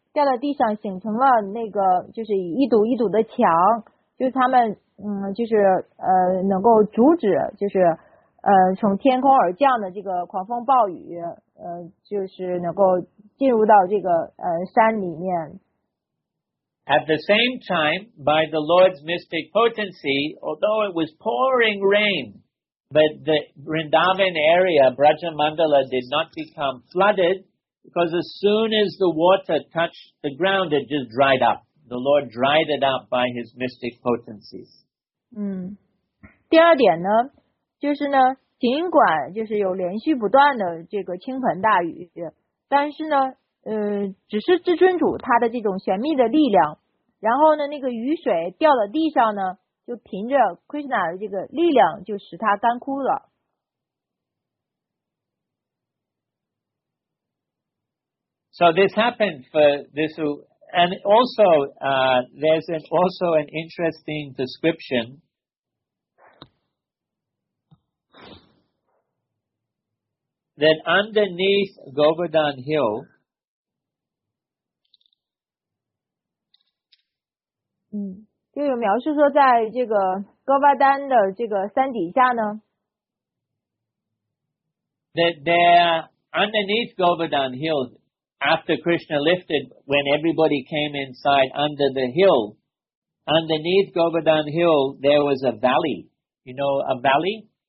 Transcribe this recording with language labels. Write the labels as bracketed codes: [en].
[zh] 掉到地上形成了那个就是一堵一堵的墙，就是他们就是能够阻止就是从天空而降的这个狂风暴雨，就是能够进入到这个山里面。 [en] At the same time, by the Lord's mystic potency, although it was pouring rain, but the Vrindavan area, Brajamandala, did not become flooded. Because as soon as the water touched the ground, it just dried up. The Lord dried it up by His mystic potencies. [zh] 第二点呢，就是呢，尽管就是有连续不断的这个倾盆大雨，但是呢，只是至尊主他的这种玄秘的力量，然后呢，那个雨水掉到地上呢，就凭着 Krishna 的这个力量，就使它干枯了。 [en] So this happened for this, and also there's also an interesting description. That underneath Govardhan Hill, [zh] 就有描述说在这个哥巴丹的这个山底下呢 [en] that there underneath Govardhan Hill after Krishna lifted when everybody came inside under the hill underneath Govardhan Hill there was a valley you know a valley